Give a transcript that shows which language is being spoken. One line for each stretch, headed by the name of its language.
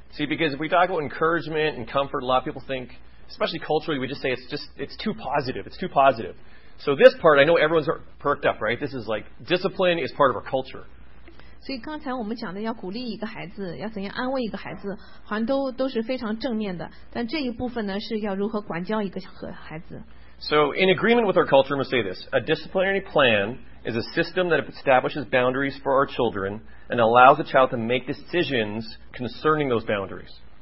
English: See, because if we talk about encouragement and comfort, a lot of people think, especially culturally, we just say it's too positive. So this part, I know everyone's perked up, right? This is like discipline is part of our culture.
Chinese: 所以刚才我们讲的要鼓励一个孩子，要怎样安慰一个孩子，好像都是非常正面的。但这一部分呢，是要如何管教一个和孩子。
English: So in agreement with our culture, I'm going to say this. A disciplinary plan is a system that establishes boundaries for our children and allows a child to make decisions concerning those boundaries.